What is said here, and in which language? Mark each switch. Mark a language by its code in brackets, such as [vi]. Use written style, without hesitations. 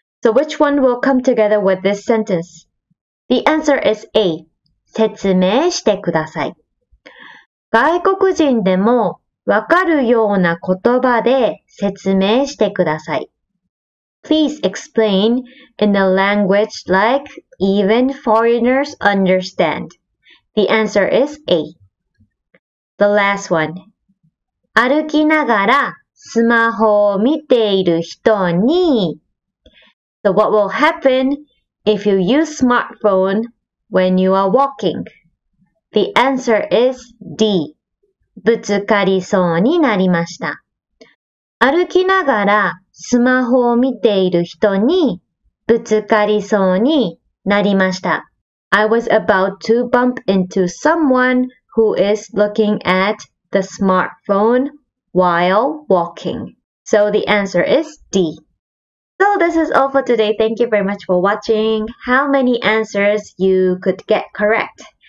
[en] So which one will come together with this sentence? The answer is A. [ja] 説明してください。外国人でもわかるような言葉で説明してください。 [en] Please explain in a language like even foreigners understand. The answer is A. The last one. [ja] 歩きながらスマホを見ている人に [en] So what will happen if you use smartphone when you are walking? The answer is D. [ja] ぶつかりそうになりました。歩きながらスマホを見ている人にぶつかりそうになりました。 [en] I was about to bump into someone who is looking at the smartphone while walking. So the answer is D. So this is all for today. Thank you very much for watching. How many answers you could get correct?